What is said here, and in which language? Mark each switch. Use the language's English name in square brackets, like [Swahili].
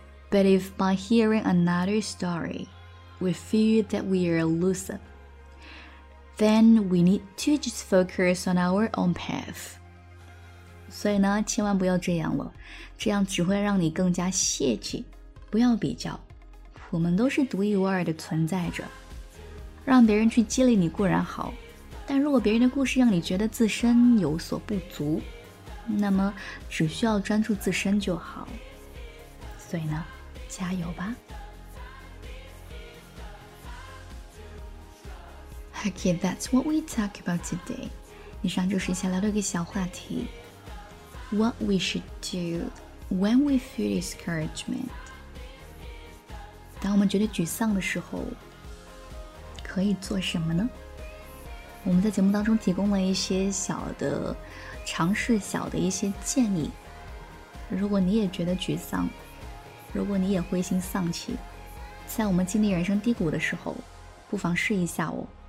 [English] But if by hearing another story, we feel that we are a loser,Then we need to just focus on our own path. [Chinese] 所以呢，千万不要这样了，这样只会让你更加泄气。不要比较，我们都是独一无二的存在着。让别人去激励你固然好，但如果别人的故事让你觉得自身有所不足，那么只需要专注自身就好。所以呢，加油吧。 [English] Okay, that's what we talk about today. [Chinese] 以上就是想聊的一个小话题。 [English] What we should do when we feel discouragement. [Chinese] 当我们觉得沮丧的时候，可以做什么呢？我们在节目当中提供了一些小的尝试，小的一些建议。如果你也觉得沮丧，如果你也灰心丧气，在我们经历人生低谷的时候，不妨试一下哦。